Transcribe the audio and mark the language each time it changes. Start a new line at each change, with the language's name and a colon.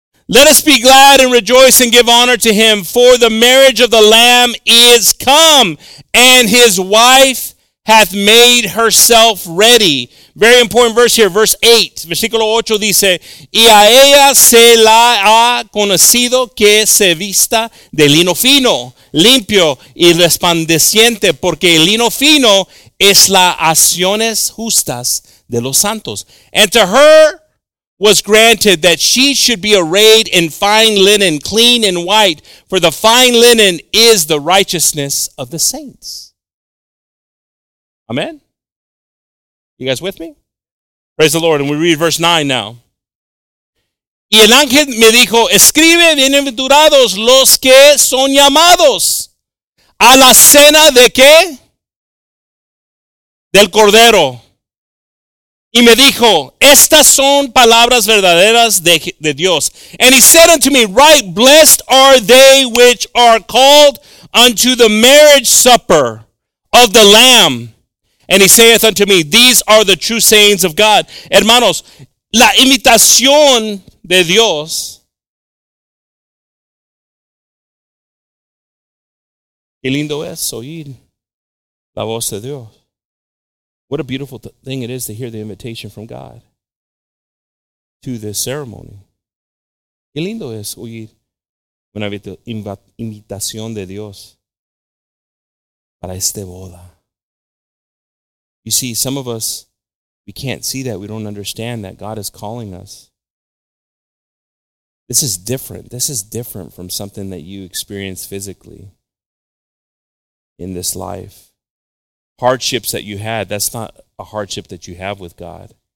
English: Let us be glad and rejoice and give honor to him, for the marriage of the Lamb is come, and his wife hath made herself ready. Very important verse here, verse 8.
Spanish: Versículo 8 dice, y a ella se la ha conocido que se vista de lino fino, limpio y resplandeciente, porque el lino fino es las acciones justas de los santos.
English: And to her was granted that she should be arrayed in fine linen, clean and white, for the fine linen is the righteousness of the saints. Amen? You guys with me? Praise the Lord. And we read verse 9 now.
Spanish: Y el ángel me dijo, escribe bienaventurados los que son llamados a la cena de qué? Del Cordero. Y me dijo, estas son palabras verdaderas de Dios.
English: And he said unto me, write, blessed are they which are called unto the marriage supper of the Lamb. And he saith unto me, these are the true sayings of God.
Spanish: Hermanos, la invitación de Dios qué lindo es oír la voz de Dios.
English: What a beautiful thing it is to hear the invitation from God to this ceremony.
Spanish: Qué lindo es oír una invitación de Dios para esta boda.
English: You see, some of us, we can't see that. We don't understand that God is calling us. This is different. This is different from something that you experience physically in this life. Hardships that you had, that's not a hardship that you have with God.